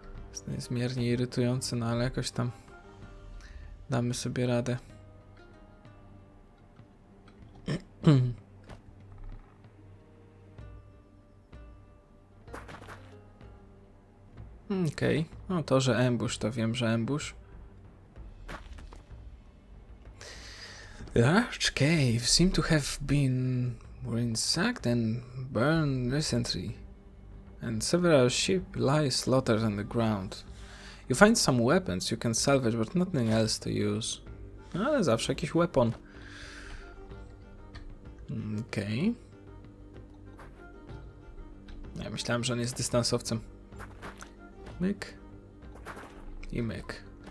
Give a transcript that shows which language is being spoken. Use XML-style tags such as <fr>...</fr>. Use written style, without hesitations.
<pl>Jest niezmiernie irytujące, no ale jakoś tam damy sobie radę. Okej, okay. No to, że ambush, to wiem, że ambush.</pl> <en>Large cave seem to have been ransacked and burned recently. And several ship lie slaughtered on the ground. You find some weapons you can salvage, but nothing else to use.</en> <pl>Ale zawsze jakiś weapon. Okej. Okay. Ja myślałem, że on jest dystansowcem. Myk. I myk.</pl>